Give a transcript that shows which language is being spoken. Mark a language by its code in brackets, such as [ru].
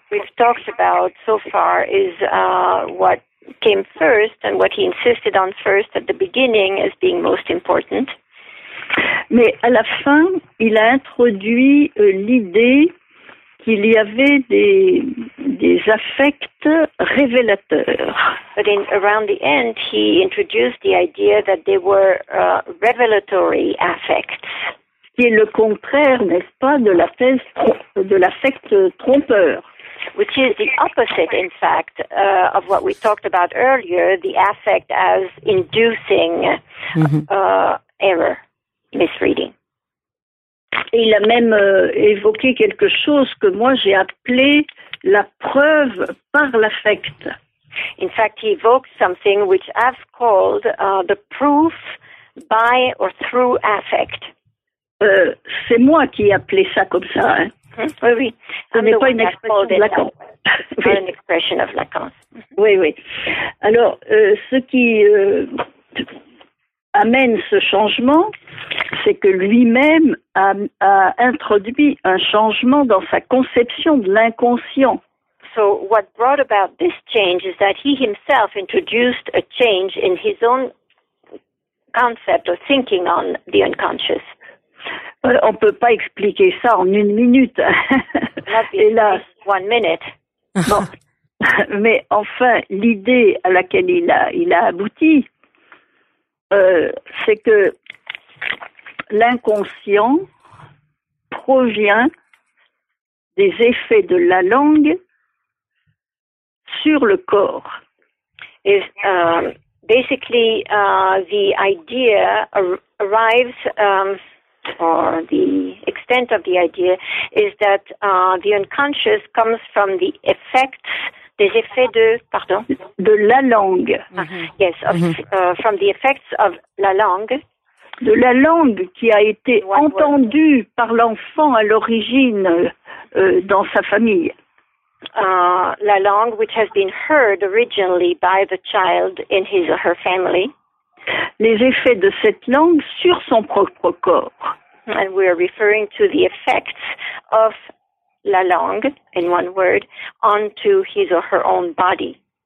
[en] What we've talked about so far is what came first and what he insisted on first at the beginning as being most important. [fr] Mais à la fin, il a introduit l'idée qu'il y avait des affects révélateurs. [en] But in around the end, he introduced the idea that they were revelatory affects. [fr] Qui est le contraire, n'est-ce pas, de la thèse de l'affect trompeur. [en] Which is the opposite, in fact, of what we talked about earlier, the affect as inducing error, misreading. [fr] Et il a même évoqué quelque chose que moi j'ai appelé la preuve par l'affect. [en] In fact, he evoked something which I've called the proof by or through affect. [fr] C'est moi qui ai appelé ça comme ça. Hein. Oui, oui. Ce n'est pas une expression de Lacan. [en] Oui. An expression of Lacan. [fr] Oui, oui. Alors, ce qui amène ce changement, c'est que lui-même a introduit un changement dans sa conception de l'inconscient. [en] So what brought about this change is that he himself introduced a change in his own concept or thinking on the unconscious. [fr] On ne peut pas expliquer ça en une minute. Hélas. [en] One minute. [fr] Bon. Mais enfin, l'idée à laquelle il a abouti, c'est que l'inconscient provient des effets de la langue sur le corps. [en] Is basically the idea arrives, or the extent of the idea is that the unconscious comes from the effects. [fr] Des effets de, pardon? De la langue. Mm-hmm. [en] Yes, of, from the effects of la langue. [fr] De la langue qui a été entendue par l'enfant à l'origine dans sa famille. [en] La langue which has been heard originally by the child in his or her family. [fr] Les effets de cette langue sur son propre corps. [en] And we are referring to the effects of la langue, in one word, onto his or her own body.